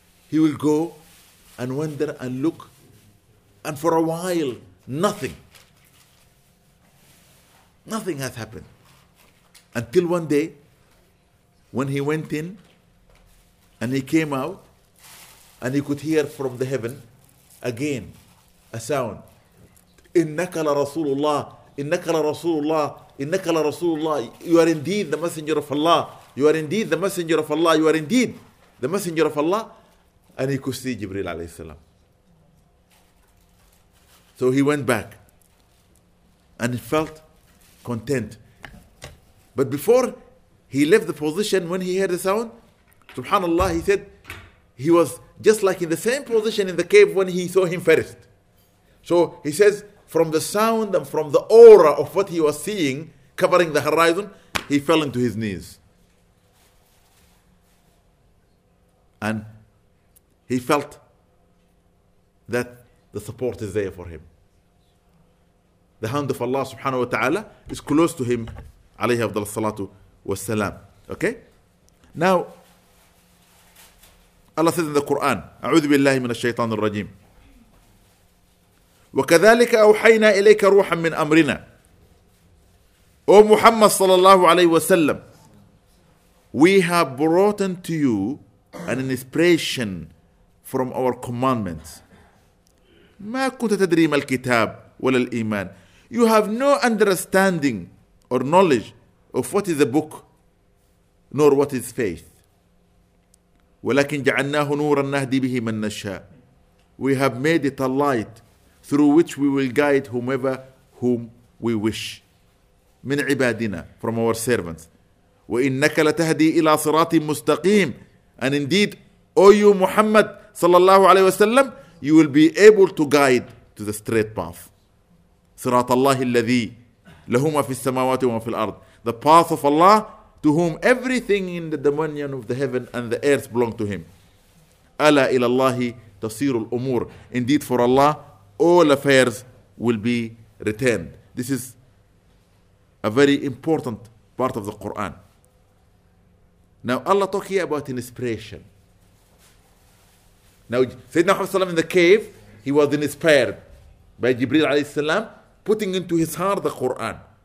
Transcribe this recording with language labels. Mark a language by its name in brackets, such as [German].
[English] He will go and wonder and look, and for a while, nothing. Nothing has happened. Until one day, when he went in, and he came out, and he could hear from the heaven, again, a sound. [Arabic] إِنَّكَ لَرَسُولُ اللَّهِ إِنَّكَ لَرَسُولُ اللَّهِ إِنَّكَ لَرَسُولُ اللَّهِ [English] You are indeed the messenger of Allah. You are indeed the messenger of Allah. You are indeed the messenger of Allah. And he could see Jibreel alayhi salam. So he went back and he felt content. But before he left the position, when he heard the sound, subhanallah, he said he was just like in the same position in the cave when he saw him first. So he says, from the sound and from the aura of what he was seeing covering the horizon, he fell into his knees. And he felt that the support is there for him. The hand of Allah subhanahu wa ta'ala is close to him, alayhi afdal salatu wa salam. Okay? Now, Allah says in the Quran, [Arabic] أعوذ بالله من الشيطان الرجيم. وكذلك أوحينا إليك روحا من أمرنا. [English] O Muhammad sallallahu alayhi wa sallam, we have brought unto you an inspiration from our commandments. [Arabic] ما كنت تدري ما الكتاب ولا الإيمان. [English] You have no understanding or knowledge of what is a book nor what is faith. [Arabic] ولكن جعلناه نورا نهدي به من نشاء. [English] We have made it a light through which we will guide whomever whom we wish. [Arabic] من عبادنا, [English] from our servants. [Arabic] وإنك لتهدي إلى صراط مستقيم. [English] And indeed, O you Muhammad sallallahu alayhi wa sallam, you will be able to guide to the straight path. [Arabic] صراط الله الذي لهما في السماوات وما في الأرض. [English] The path of Allah, to whom everything in the dominion of the heaven and the earth belong to him. [Arabic] ألا إلى الله تصير الأمور. [English] Indeed, for Allah, all affairs will be returned. This is a very important part of the Quran. Now, Allah talk here about inspiration. Now, Sayyidina Muhammad in the cave, he was inspired by Jibreel alayhi salam, putting into his heart the Quran.